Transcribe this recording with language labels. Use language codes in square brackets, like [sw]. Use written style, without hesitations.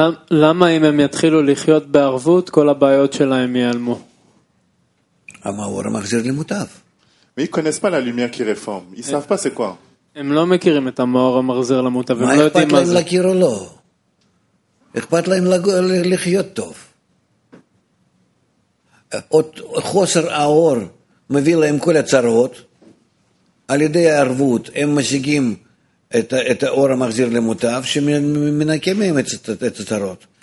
[he] למה אם הם יתחילו לחיות בערבות, כל הבעיות שלהם ייעלמו? המאור מחזיר למוטב. [fr] Mais ils connaissent pas la lumière qui réforme. Ils savent pas c'est quoi. [he] הם לא מכירים את המאור המחזיר למוטב. מה אכפת להם להכיר או לא? אכפת להם לחיות טוב. חוסר האור מביא להם כל הצרות. על ידי הערבות הם משיגים את האור המחזיר למוטב, שמנקה מהם את הצרות.